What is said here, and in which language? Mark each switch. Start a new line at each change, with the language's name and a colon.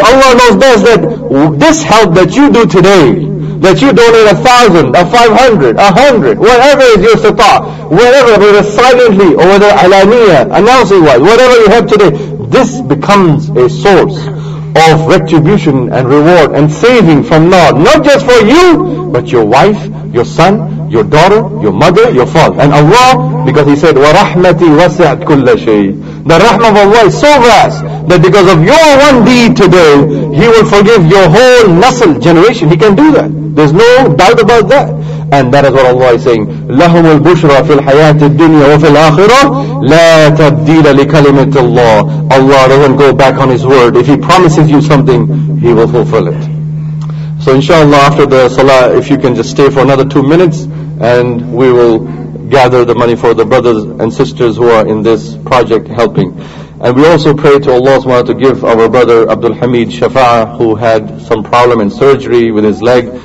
English: Allah knows best that this help that you do today, that you donate 1,000, 500, 100, whatever is your sitah, whatever, whether silently or whether alaniya, announcing wise, whatever you have today, this becomes a source of retribution and reward and saving from Lord, not just for you, but your wife, your son, your daughter, your mother, your father. And Allah, because He said,
Arabic: وَرَحْمَتِي وَسِعَتْ كُلَّ شَيْءٍ.
English: The rahmah of Allah is so vast that because of your one deed today, He will forgive your whole nasl generation. He can do that. There's no doubt about that. And that is what Allah is saying,
Arabic: لَهُمُ الْبُشْرَ فِي الْحَيَاةِ الدُّنْيَا وَفِي الْآخِرَةِ لَا تَبْدِيلَ لِكَلِمَةِ اللَّهِ.
English: Allah doesn't go back on His word. If He promises you something, He will fulfill it. So inshallah, after the salah, if you can just stay for another 2 minutes, and we will gather the money for the brothers and sisters who are in this project helping. And we also pray to Allah subhanahu wa ta'ala to give our brother Abdul Hamid Shafa'a, who had some problem in surgery with his leg.